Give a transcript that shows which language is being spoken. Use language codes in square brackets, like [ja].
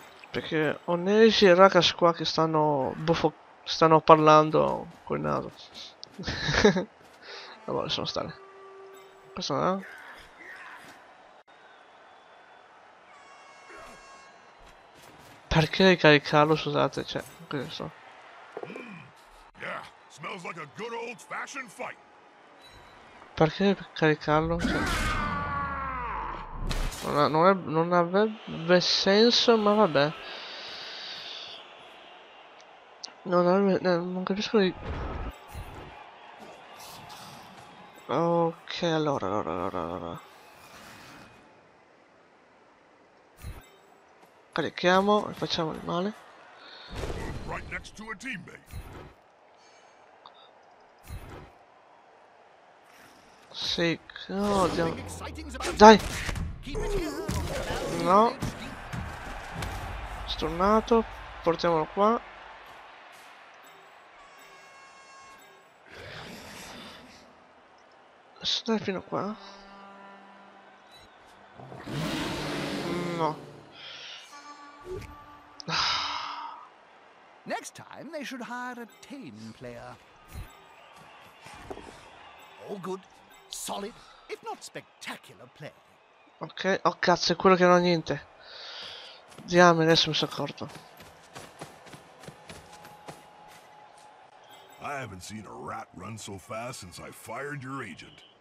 [it] Perché Onesi e Rakas qua che stanno buffo, stanno parlando con il naso. Vabbè, lasciamo stare. Questo no? Perché ricaricarlo, scusate, cioè, questo. [en] Smells like a good old fashioned fight. [it] Perché caricarlo? Cioè, non avrebbe senso, ma vabbè. Non capisco di. Ok, allora. Carichiamo e facciamo il male. [en] Right next to a teammate. [it] Sì, oddio. Dai! No. Stornato. Portiamolo qua. Stai fino qua. No. [en] Next time they should hire a tame player. All good. Solid, if not spectacular play. [it] Ok, oh cazzo, è quello che non ha niente. Diamine, adesso mi sono accorto. [en] I haven't seen a rat run so fast since I fired your agent.